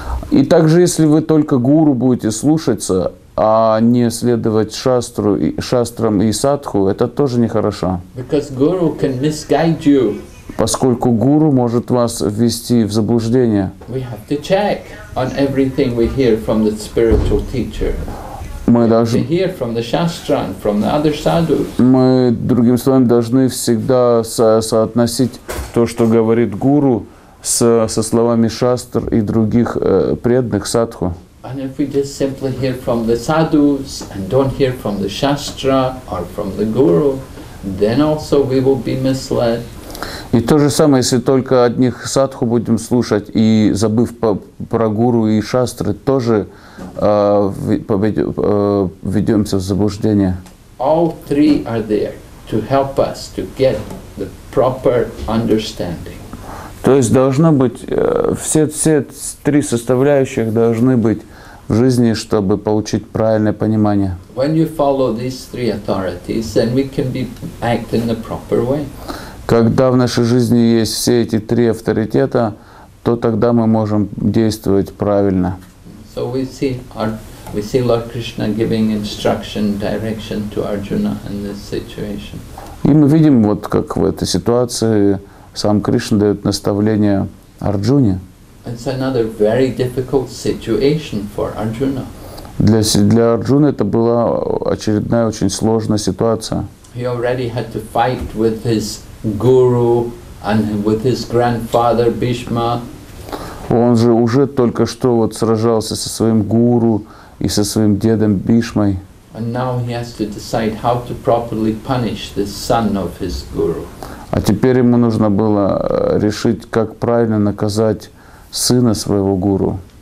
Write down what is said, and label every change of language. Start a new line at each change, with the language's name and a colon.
Russian: И также, если вы только гуру будете слушаться, а не следовать шастру, шастрам и садху, это тоже нехорошо.
English: Because guru can misguide you.
Russian: Поскольку гуру может вас ввести в заблуждение.
English: We have to check on everything we hear from the spiritual teacher.
Russian: Мы должны
English: hear from the shastra and from the other sadhus.
Russian: Мы, другим словом, должны всегда соотносить то, что говорит гуру, со словами шастр и других преданных садху.
English: And if we just simply hear from the sadhus and don't hear from the shastra or from the guru, then also we will be misled.
Russian: И то же самое, если только одних садху будем слушать и забыв про гуру и шастры, тоже введемся в заблуждение.
English: All three are there to help us to get the proper understanding.
Russian: То есть должно быть все три составляющих должны быть в жизни, чтобы получить правильное понимание.
English: When you follow these three authorities, then we can be act in the proper way.
Russian: Когда в нашей жизни есть все эти три авторитета, то тогда мы можем действовать правильно.
English: So we see Lord Krishna giving instruction, direction to Arjuna in this situation.
Russian: И мы видим, вот как в этой ситуации сам Кришна дает наставление Арджуне.
English: It's another very difficult situation for Arjuna.
Russian: Для Арджуны это была очередная очень сложная ситуация.
English: He already had to fight with his guru and with his grandfather Bhishma.
Russian: Он же уже только что вот сражался со своим гуру и со своим дедом Бишмой.
English: And now he has to decide how to properly punish the son of his guru.
Russian: А теперь ему нужно было решить, как правильно наказать сына своего гуру.